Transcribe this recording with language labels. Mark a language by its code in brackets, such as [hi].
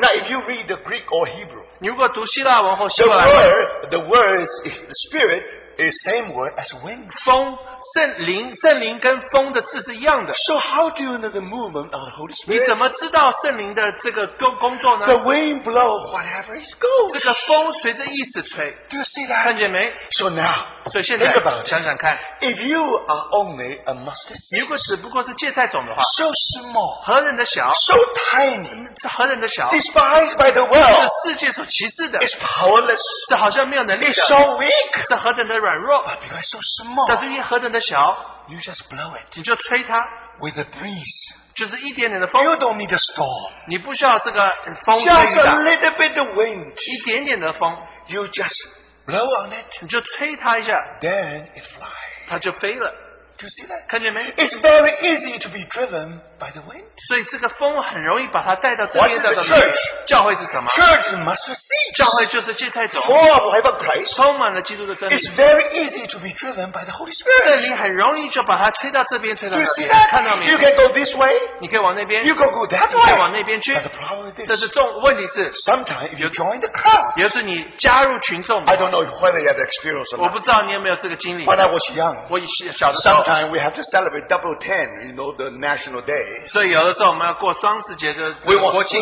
[en] Now if you read the Greek or Hebrew, [zh] 你如果读希腊文或希腊文, [en] the word is spirit is the same word as wind. [zh] 风, 圣灵, 圣灵跟风的字是一样的. [en] So how do you know the movement of the Holy Spirit? [zh] 你怎么知道圣灵的这个工作呢? [en] The wind blows whatever it goes. [zh] 这个风随着意思吹. [en] Do you see that? [zh] 看见没? [en] So now, [zh] 所以现在, [en] think about it. [zh] 想想看, [en] if you are only a mustard seed, [zh] 如果只不过是芥菜种的话, [en] so small, [zh] 何人的小, [en] so tiny, [zh] 何人的小, [en] despised by the world, [zh] 是世界所歧视的, [en] is powerless, [zh] 是好像没有能力的, [en] is so weak, [zh] 是何等的软弱, [en] but because so small, [zh] 但是因何等的小, [en] you just blow it, [zh] 你就吹它, [en] with a breeze, [zh] 就是一点点的风, [en] you don't need a storm, [zh] 你不需要这个风吹的, [en] just a little bit of wind, [zh] 一点点的风, [en] you just blow on it, [zh] 你就吹它一下, [en] then it flies, [zh] 它就飞了. [en] Do you see that? [zh] 看见没? [en] It's very easy to be driven by the wind. [zh] 所以这个风很容易把它带到这边的。 [en] What is the church? [zh] 教会是什么? [en] Church must receive. [zh] 教会就是芥菜种, [en] full of life of Christ. [zh] 充满了基督的生命. [en] It's very easy to be driven by the Holy Spirit. [zh] 这里很容易就把它推到这边。 [en] Do you see that? [zh] 看到没? [en] You can go this way. [zh] 你可以往那边, [en] you can go that way. [zh] 你可以往那边去, [en] but the problem is this. [zh] 但是重问题是, [en] sometimes if you join the crowd, [zh] 也就是你加入群众, [en] I don't know whether you have experience or not. [zh] 我不知道你有没有这个经历, [en] when I was young, [zh] 我小的时候, [en] time we have to celebrate double 10, you know, the national day. [zh] 所以有的时候我们要过双十节的国庆,